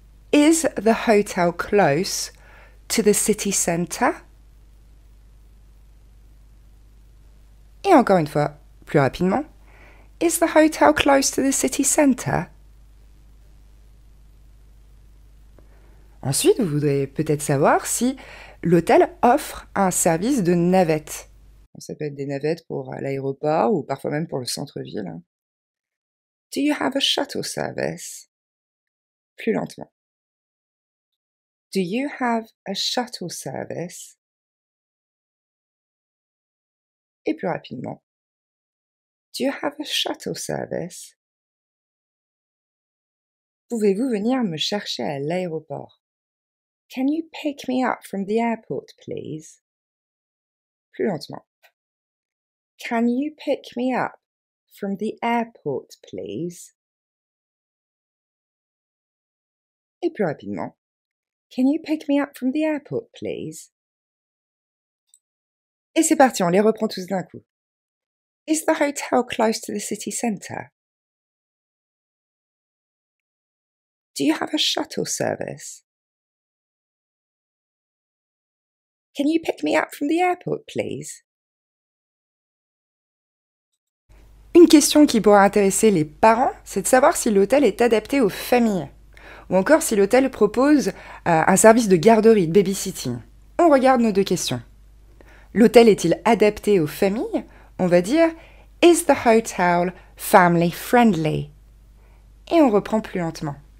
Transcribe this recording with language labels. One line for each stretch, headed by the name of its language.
English: Is the hotel close to the city center?
French: Et encore une fois, plus rapidement.
English: Is the hotel close to the city center?
French: Ensuite, vous voudrez peut-être savoir si l'hôtel offre un service de navette. Ça peut être des navettes pour l'aéroport ou parfois même pour le centre-ville.
English: Do you have a shuttle service?
French: Plus lentement.
English: Do you have a shuttle service?
French: Et plus rapidement.
English: Do you have a shuttle service?
French: Pouvez-vous venir me chercher à l'aéroport?
English: Can you pick me up from the airport, please?
French: Plus lentement.
English: Can you pick me up from the airport, please?
French: Et plus rapidement.
English: Can you pick me up from the airport, please?
French: Et c'est parti, on les reprend tous d'un coup.
English: Is the hotel close to the city center? Do you have a shuttle service? Can you pick me up from the airport, please?
French: Une question qui pourra intéresser les parents, c'est de savoir si l'hôtel est adapté aux familles. Ou encore si l'hôtel propose un service de garderie, de babysitting. On regarde nos deux questions. L'hôtel est-il adapté aux familles? On va dire «
English: Is the hotel family friendly?
French: » Et on reprend plus lentement.